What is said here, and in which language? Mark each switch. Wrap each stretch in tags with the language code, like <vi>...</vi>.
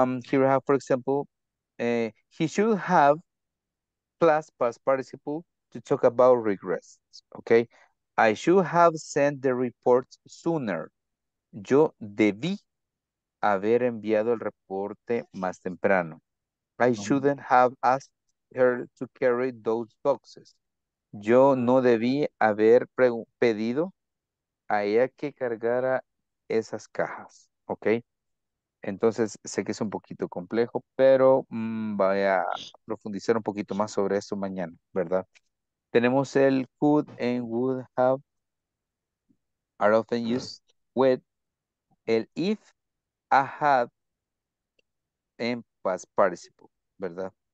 <en>Here I have, for example, he should have plus past participle to talk about regress. Ok. I should have sent the report sooner.</en> <es>Yo debí haber enviado el reporte más temprano.</es> <en>I shouldn't have asked her to carry those boxes.</en> <es>Yo no debí haber pedido a ella que cargara esas cajas, ok. Entonces sé que es un poquito complejo, pero voy a profundizar un poquito más sobre eso mañana, ¿verdad? Tenemos el</es> <en>could and would have, are often used with el if, I had, and past participle, ¿verdad?</en>